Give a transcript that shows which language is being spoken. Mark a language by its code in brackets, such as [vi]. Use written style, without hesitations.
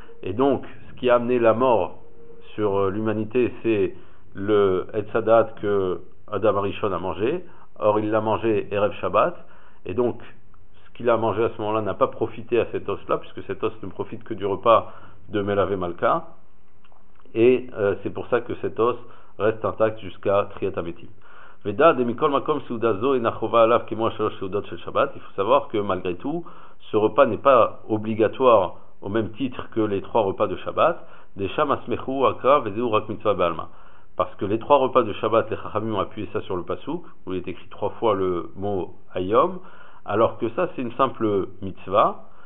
[fr] Et donc ce qui a amené la mort sur l'humanité, c'est le Etzadat que Adam Arishon a mangé, or il l'a mangé Erev Shabbat, et donc ce qu'il a mangé à ce moment-là n'a pas profité à cet os-là, puisque cet os ne profite que du repas de Melave Malka, et c'est pour ça que cet os reste intact jusqu'à Triat HaMetim. [he] ודאי מכל מקום סעודה זו אינה חובה עליו כמו השלוש סעודות של שבת. [fr] Il faut savoir que malgré tout, ce repas n'est pas obligatoire au même titre que les trois repas de Shabbat. [he] Desham asmechu akra vezehu rak mitzvah be'alma. [fr] Parce que les trois repas de Shabbat, les Chachamim ont appuyé ça sur le pasouk, où il est écrit trois fois le mot ayom, alors que ça c'est une simple mitzvah.